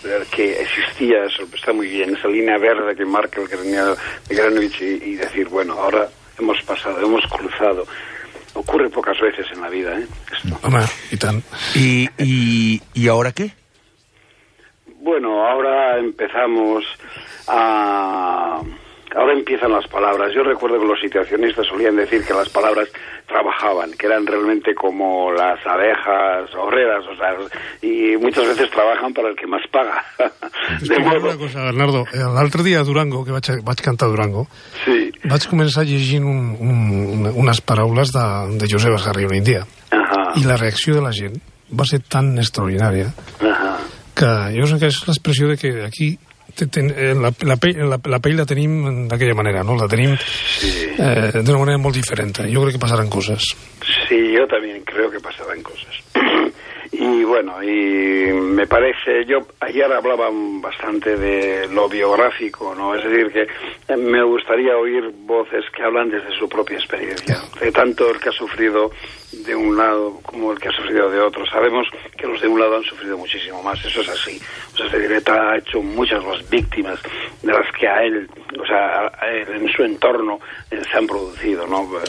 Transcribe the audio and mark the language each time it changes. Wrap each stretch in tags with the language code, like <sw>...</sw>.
<ca>Que existia, està molt bé, aquesta línia verda que marca el Greenwich de Greenwich i dir, bueno, ara</ca> <es>hemos cruzado. Ocurre pocas veces en la vida, ¿eh?</es> <ca>Home, i tant.</ca> <es>¿Y ahora qué? Bueno, ahora empezamos a... Ahora empiezan las palabras. Yo recuerdo que los situacionistas solían decir que las palabras trabajaban, que eran realmente como las abejas obreras, o sea, y muchas veces trabajan para el que más paga. De modo...</es> <ca>Una cosa, Bernardo, l'altre dia a Durango, que vaig cantar a Durango, sí, vaig començar llegint unes paraules de Josep Esgarri un dia, uh-huh, i la reacció de la gent va ser tan extraordinària, uh-huh, que jo crec que és l'expressió de que aquí la pell la tenim d'aquella manera, no? La tenim, sí, d'una manera molt diferent. Jo crec que passaran coses. Sí, jo també crec que passaran coses.</ca> <es>I, bueno, y me parece... Yo ayer hablaba bastante de lo biográfico, ¿no? Es decir, que me gustaría oír voces que hablan desde su propia experiencia. Yeah. De tanto el que ha sufrido de un lado como el que ha sufrido de otro. Sabemos que los de un lado han sufrido muchísimo más, eso es así. O sea, Cedireta ha hecho muchas más víctimas de las que a él, o sea, a él, en su entorno, se han producido, ¿no?</es>